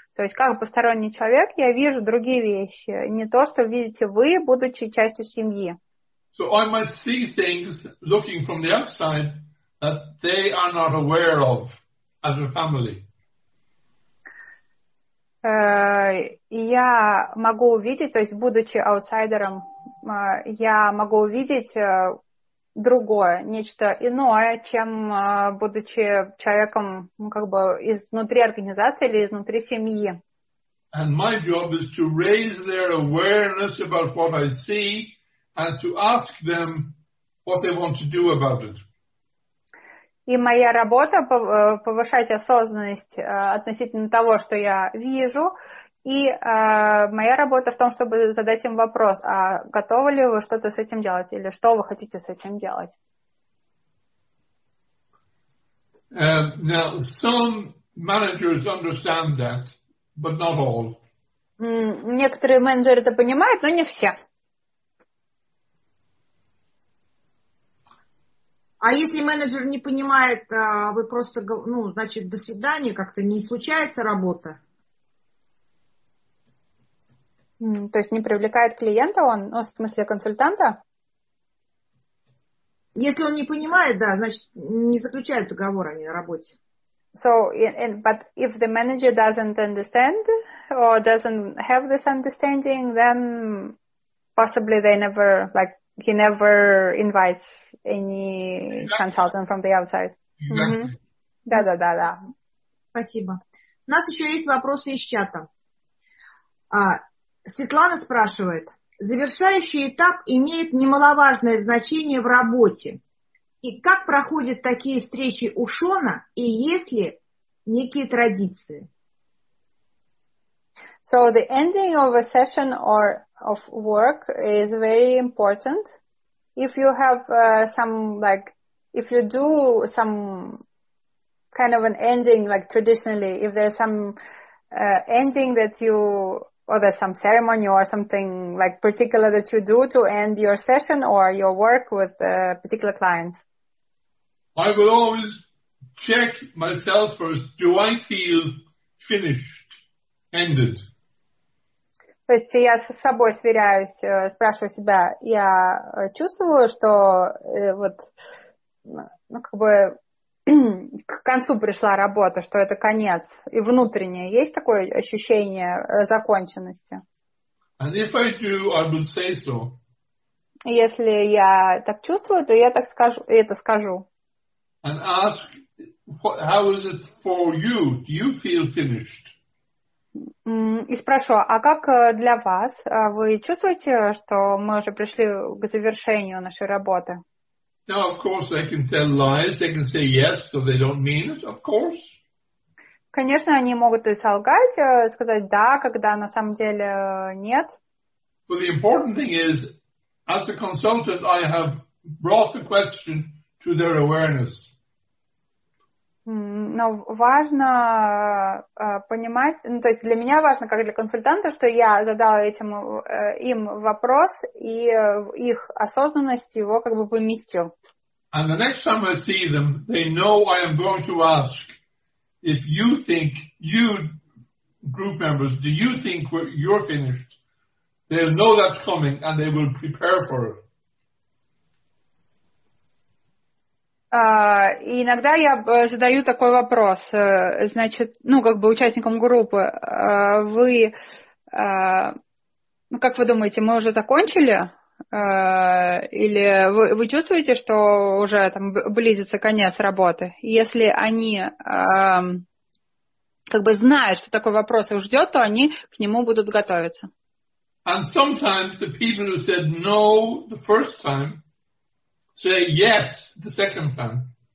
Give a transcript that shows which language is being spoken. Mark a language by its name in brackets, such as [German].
[Russian] То есть, как посторонний человек, я вижу другие вещи, не то, что видите вы, будучи частью семьи. [English] So I might see things looking from the outside that they are not aware of as a family. [Russian] Я могу увидеть, то есть будучи аутсайдером, я могу увидеть другое, нечто иное, чем будучи человеком, как бы изнутри организации или изнутри семьи. [English] And my job is to raise their awareness about what I see. And to ask them what they want to do about it. [Russian] И моя работа повышать осознанность относительно того, что я вижу, и моя работа в том, чтобы задать им вопрос: а готовы ли вы что-то с этим делать или что вы хотите с этим делать? [English] Now some managers understand that, but not all. [Russian] Некоторые менеджеры это понимают, но не все. А если менеджер не понимает, вы просто, значит, до свидания, как-то не случается работа? То есть не привлекает клиента он, в смысле консультанта? Если он не понимает, да, значит, не заключают договор они на работе. [English] So, but if the manager doesn't understand or doesn't have this understanding, then possibly they never, like, he never invites any exactly. consultant from the outside. Exactly. [Russian] Mm-hmm. Да. Спасибо. У нас еще есть вопросы из чата. Светлана спрашивает. Завершающий этап имеет немаловажное значение в работе. И как проходят такие встречи у Шона и есть ли некие традиции? [English] So the ending of a session or of work is very important. If you have some like if you do some kind of an ending, like traditionally, if there's some ending that you, or there's some ceremony or something like particular that you do to end your session or your work with a particular client? I will always check myself first. Do I feel finished, ended? [Russian] То есть я с собой сверяюсь, спрашиваю себя, я чувствую, что вот, ну, как бы к концу пришла работа, что это конец, и внутреннее. Есть такое ощущение законченности? [English] And if I do, I would say so. [Russian] Если я так чувствую, то я так скажу, это скажу. [English] And ask, how is it for you? Do you feel finished? [Russian] И спрошу, а как для вас? Вы чувствуете, что мы уже пришли к завершению нашей работы? [English] No, of course, they can tell lies. They can say yes, so they don't mean it, of course. [Russian] Конечно, они могут и солгать, сказать да, когда на самом деле нет. [English] But the important thing is, as a consultant, I have brought the question to their awareness. [Russian] Но важно понимать, ну, то есть для меня важно, как для консультанта, что я задала этим им вопрос и их осознанность его как бы поместил. [English] And the next time I see them, they know I am going to ask if you think, you group members, do you think you're finished? They'll know that's coming and they will prepare for it. [Russian] И иногда я задаю такой вопрос, значит, ну, как бы участникам группы, вы, ну, как вы думаете, мы уже закончили? Или вы чувствуете, что уже там близится конец работы? Если они как бы знают, что такой вопрос их ждет, то они к нему будут готовиться. [English] And sometimes the people who said no the first time say yes the second time.